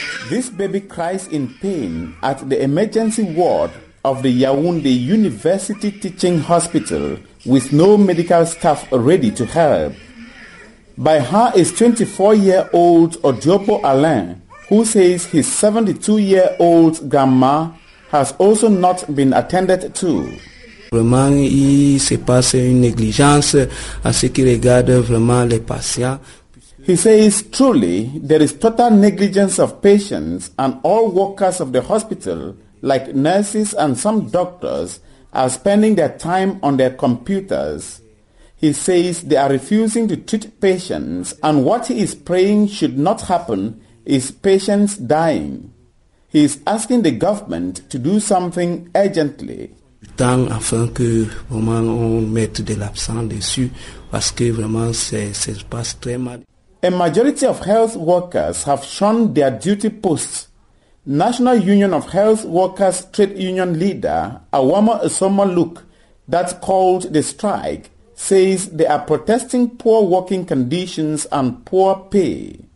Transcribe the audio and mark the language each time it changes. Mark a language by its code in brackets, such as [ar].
[en] This baby cries in pain at the emergency ward of the Yaoundé University Teaching Hospital with no medical staff ready to help. By her is 24-year-old Odiopo Alain, who says his 72-year-old grandma has also not been attended to. [fr] Vraiment, il se passe une négligence à ce qui regarde vraiment les patients. [en] He says, truly, there is total negligence of patients and all workers of the hospital, like nurses and some doctors, are spending their time on their computers. He says they are refusing to treat patients and what he is praying should not happen is patients dying. He is asking the government to do something urgently. [fr] Afin que vraiment on mette de l'absent dessus, parce que vraiment ça se passe très mal. [en] A majority of health workers have shunned their duty posts. National Union of Health Workers trade union leader Awama Osomoluk, that called the strike, says they are protesting poor working conditions and poor pay.